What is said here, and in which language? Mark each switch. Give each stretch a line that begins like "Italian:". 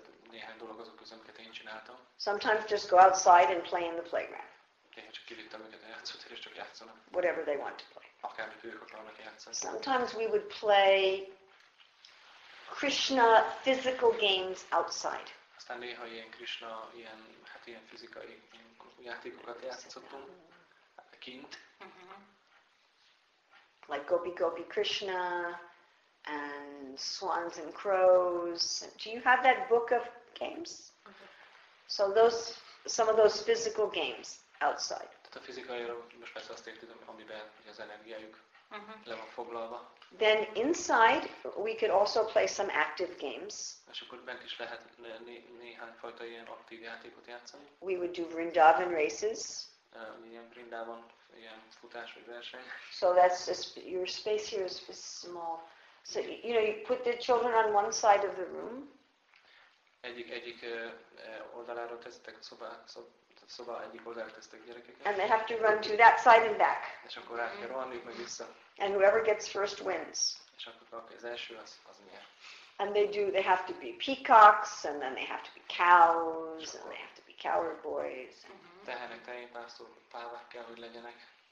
Hungarian: Néhány dolog azok közül, amiket én csináltam.
English: Sometimes just go outside and play in the playground.
Hungarian: Néha csak kivittem őket a játszótérre, és csak játszanak.
English: Whatever they want to play.
Hungarian: Akármit ők akarnak játszani.
English: Sometimes we would play Krishna physical games outside.
Hungarian: Aztán néha ilyen Krishna, ilyen, hát ilyen fizikai játékokat játszottunk kint.
English: Like Gopi Gopi Krishna and Swans and Crows. Do you have that book of games? So some of those physical games. Outside.
Hungarian: Tehát a fizikaira most persze azt értem, amiben az energiájuk le van foglalva.
English: Then inside we could also play some active games.
Hungarian: És akkor bent is lehet néhány fajta ilyen aktív játékot játszani.
English: We would do Vrindavan races.
Hungarian: Ilyen Vrindavan, ilyen futás vagy verseny.
English: So that's your space here is small. So you know you put the children on one side of the room.
Hungarian: Egyik oldalára teszitek a szoba egyik oldalára tesztek gyerekeket.
English: And they have to run to that side and back.
Hungarian: És akkor át kell rohanniuk meg vissza.
English: And whoever gets first wins.
Hungarian: És akkor az első az nyer.
English: And they have to be peacocks, and then they have to be cows, and they have to be coward boys.
Hungarian: Tehenek, tehénpásztor, pávák kell, hogy legyenek.